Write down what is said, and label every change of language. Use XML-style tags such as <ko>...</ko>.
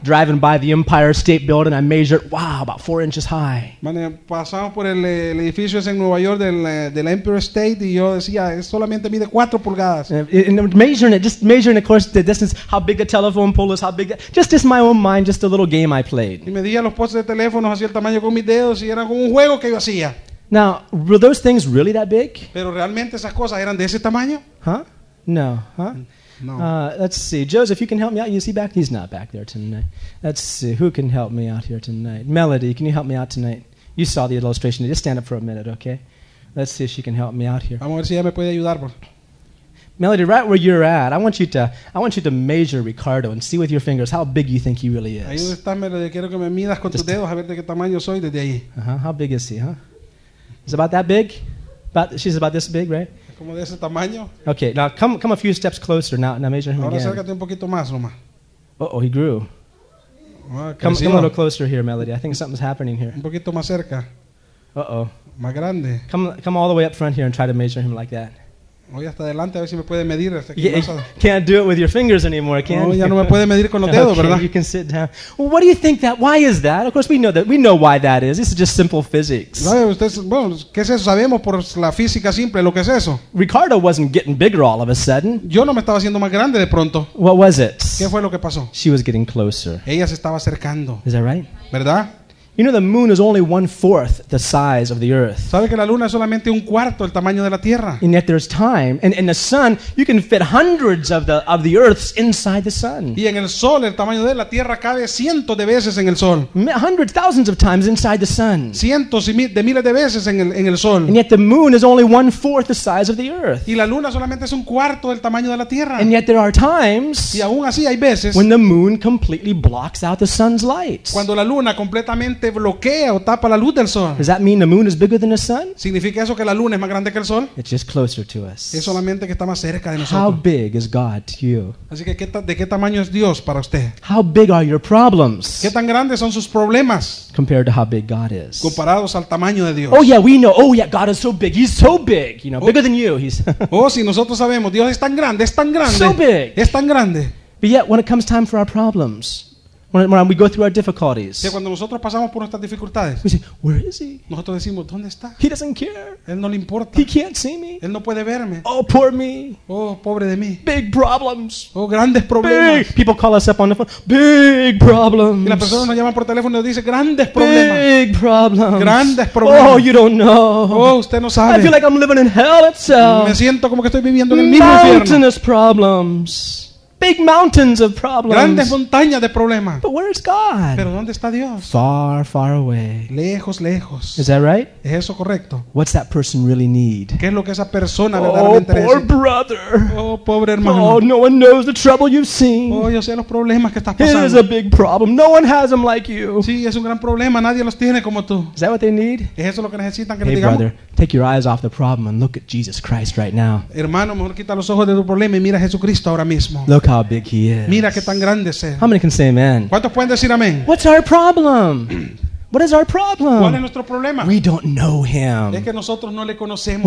<en>Driving by the Empire State Building, I measured, wow, about 4 inches high.</en> <es>Pasamos por el edificio ese en Nueva York del Empire State y yo decía, solamente mide 4 pulgadas.</es> <en>Measuring, of course, the distance, how big a telephone pole is, how big, just my own mind, just a little game I played.</en> <es>Y medía los postes de teléfono así el tamaño con mis dedos y era como un juego que yo hacía.</es> <en>Now, were those things really that big? Pero realmente esas cosas eran de ese tamaño? Huh? No, huh? No. Let's see. Joseph, you can help me out. Is he back? He's not back there tonight. Let's see. Who can help me out here tonight? Melody, can you help me out tonight? You saw the illustration. Just stand up for a minute, okay? Let's see if she can help me out here.</en> <es>Vamos a ver si ella me puede ayudar, bro.</es> <en>Melody, right where you're at, I want you to measure Ricardo and see with your fingers how big you think he really is.</en> <es>Ahí donde estás, Melody. Quiero que me midas con tus dedos a ver de qué tamaño soy desde ahí.</es> <en>How big is he, huh? Is about that big? She's about this big, right?</en> <es>Como de ese tamaño.</es> <en>Okay, now come a few steps closer. Now measure him</en> <es>ahora</es> <en>again.</en> <es>Acércate un poquito más, Roma.</es> <en>Uh-oh, he grew. Come a little closer here, Melody. I think something's happening here.</en> <es>Un poquito más cerca.</es> <en>Uh-oh.</en> <es>Más grande.</es> <en>Come all the way up front here and try to measure him like that.</en> <es>Voy hasta adelante a ver si me puede medir.</es> <en>Can't do it with your fingers anymore, can you?</en> <es>No, ya no me puede medir con los dedos, okay, ¿verdad?</es> <en>You can sit down. Well, what do you think that? Why is that? Of course, we know that. We know why that is. This is just simple physics.</en> <es>Bueno, ¿qué es eso? Sabemos por la física simple lo que es eso.</es> <en>Ricardo wasn't getting bigger all of a sudden.</en> <es>Yo no me estaba haciendo más grande de pronto.</es> <en>What was it?</en> <es>¿Qué fue lo que pasó?</es> <en>She was getting closer.</en> <es>Ella se estaba acercando.</es> <en>Is that right?</en> <es>¿Verdad?</es> <en>You know the moon is only 1/4 the size of the earth.</en> <es>¿Sabe que la luna es solamente un cuarto el tamaño de la Tierra?</es> <en>And yet there's time, and the sun, you can fit hundreds of the earths inside the sun.</en> <es>Y en el sol el tamaño de la Tierra cabe cientos de veces en el sol.</es> <en>Hundreds, thousands of times inside the sun.</en> <es>Cientos y de miles de veces en el sol.</es> <en>And yet the moon is only 1/4 the size of the earth.</en> <es>Y la luna solamente es un cuarto del tamaño de la Tierra.</es> <en>And yet there are times.</en> <es>Y aún así hay veces.</es> <en>When the moon completely blocks out the sun's light.</en> <es>Cuando la luna completamente bloquea o tapa la luz del sol.</es> <en>Does that mean the moon is bigger than the sun?</en> <es>¿Significa eso que la luna es más grande que el sol?</es> <en>It's just closer to us.</en> <es>Es solamente que está más cerca de nosotros.</es> <en>How big is God to you?</en> <es>Así que ¿de qué tamaño es Dios para usted?</es> <en>How big are your problems?</en> <es>¿Qué tan grandes son sus problemas?</es> <en>Compared to how big God is.</en> <es>Comparados al tamaño de Dios.</es> <en>Oh yeah, we know. Oh yeah, God is so big. He's so big. You know, oh, bigger than you. He's.</en> <es>Oh, sí, nosotros sabemos. Dios es tan grande. Es tan grande.</es> <en>So big.</en> <es>Es tan grande.</es> <en>But yet, when it comes time for our problems. When we go through our difficulties.</en> <es>Que cuando nosotros pasamos por nuestras dificultades.</es> <en>We say, where is he?</en> <es>Nosotros decimos, ¿dónde está?</es> <en>He doesn't care.</en> <es>Él no le importa.</es> <en>He can't see me.</en> <es>Él no puede verme.</es> <en>Oh, poor me.</en> <es>Oh, pobre de mí.</es> <en>Big problems.</en> <es>Oh, grandes problemas.</es> <en>Big. People call us up on the phone. Big problems.</en> <es>Y la persona nos llama por teléfono y nos dice, grandes problemas.</es> <en>Big problems.</en> <es>Grandes problemas.</es> <en>Oh, you don't know.</en> <es>Oh, usted no sabe.</es> <en>I feel like I'm living in hell itself.</en> <es>Me siento como que estoy viviendo en el mismo infierno.</es> <en>Mountainous problems. Big mountains of problems.</en> <es>Grandes montañas de problemas.</es> <en>But where is God?</en> <es>¿Pero dónde está Dios?</es> <en>Far, far away.</en> <es>Lejos, lejos.</es> <en>Is that right?</en> <es>¿Es eso correcto?</es> <en>What's that person really need?</en> <es>¿Qué es lo que esa persona verdaderamente necesita?</es> <en>Oh, poor brother.</en> <es>Oh, pobre hermano.</es> <en>Oh, no one knows the trouble you've seen.</en> <es>Oh, yo sé los problemas que estás pasando.</es> <en>It is a big problem. No one has them like you.</en> <es>Sí, es un gran problema. Nadie los tiene como tú.</es> <en>Is that what they need?</en> <es>¿Es eso lo que necesitan que hey, le digamos?</es> <en>Brother, take your eyes off the problem and look at Jesus Christ right now.</en> <es>Hermano, mejor quita los ojos de tu problema y mira a Jesucristo ahora mismo.</es> <en>Look how big he is.</en> <es>Mira qué tan grande es.</es> <en>How many can say amen?</en> <es>¿Cuántos pueden decir amén?</es> <en>What's our problem? What is our problem?</en> <es>¿Cuál es nuestro problema?</es> <en>We don't know him.</en> <es>Es que nosotros no le conocemos.</es>